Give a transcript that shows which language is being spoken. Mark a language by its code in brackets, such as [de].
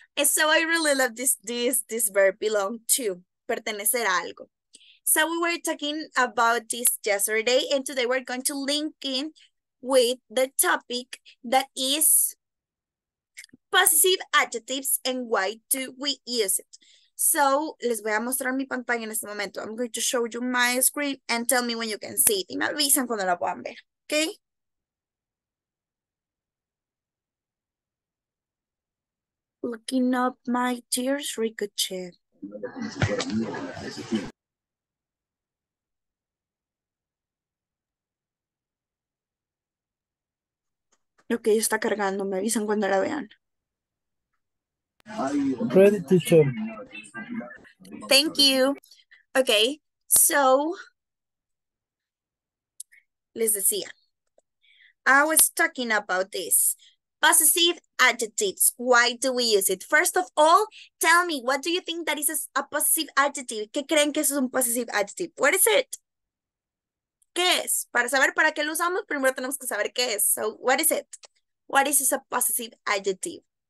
[en] And so I really love this verb, belong to, [es] pertenecer a algo. [en] So we were talking about this yesterday, and today we're going to link in with the topic that is possessive adjectives and why do we use it. [es] So, les voy a mostrar mi pantalla en este momento. [en] I'm going to show you my screen and tell me when you can see it. [es] Y me avisan cuando la puedan ver, [en] okay? Looking up my tears, ricochet. [es] Ok, está cargando. Me avisan cuando la vean. [en] Ready, teacher. Thank you. Ok, so, [es] les decía, [en] I was talking about this. Possessive adjectives. Why do we use it? First of all, tell me, what do you think that is a possessive adjective? [es] ¿Qué creen que es un possessive adjective? [en] What is it? [es] ¿Qué es? Para saber para qué lo usamos, primero tenemos que saber qué es. [en] So, what is it? What is a possessive adjective?